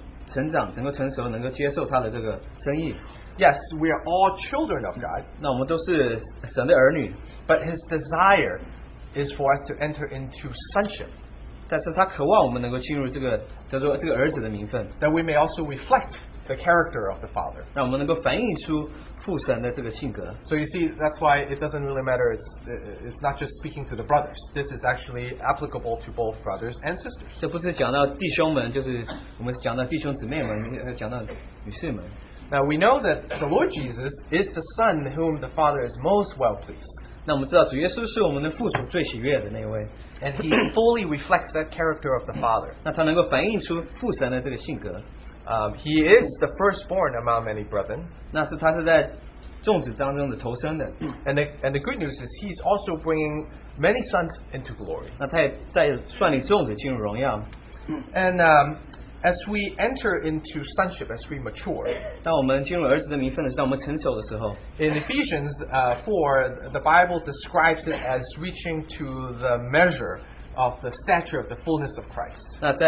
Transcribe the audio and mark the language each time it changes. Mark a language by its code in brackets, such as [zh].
[zh] 那父神也是希望他的儿女们能够成长，能够成熟，能够接受他的这个生意。 [en] Yes, we are all children of God. [zh] 那我们都是神的儿女。 [en] But His desire is for us to enter into sonship. [zh] 但是他渴望我们能够进入这个儿子的名分。 [en] That we may also reflect the character of the Father. [zh] 让我们能够反映出父神的这个性格。 [en] So you see, that's why it doesn't really matter. It's not just speaking to the brothers. This is actually applicable to both brothers and sisters. [zh] 这不是讲到弟兄们，就是我们讲到弟兄姊妹们，讲到女士们。 [en] Now we know that the Lord Jesus is the Son whom the Father is most well pleased. [zh] 那我们知道主耶稣是我们的父主最喜悦的那位。 [en] And He fully reflects that character of the Father. [zh] 那他能够反映出父神的这个性格。 [en] He is the firstborn among many brethren. [zh] 那是他是在众子当中的头生的。 [en] And the good news is He's also bringing many sons into glory. [zh] 那他也在率领众子进入荣耀。 [en] And as we enter into sonship, as we mature, [zh] 当我们进入儿子的名分的时候，当我们成熟的时候， [en] in Ephesians 4, the Bible describes it as reaching to the measure of the stature of the fullness of Christ.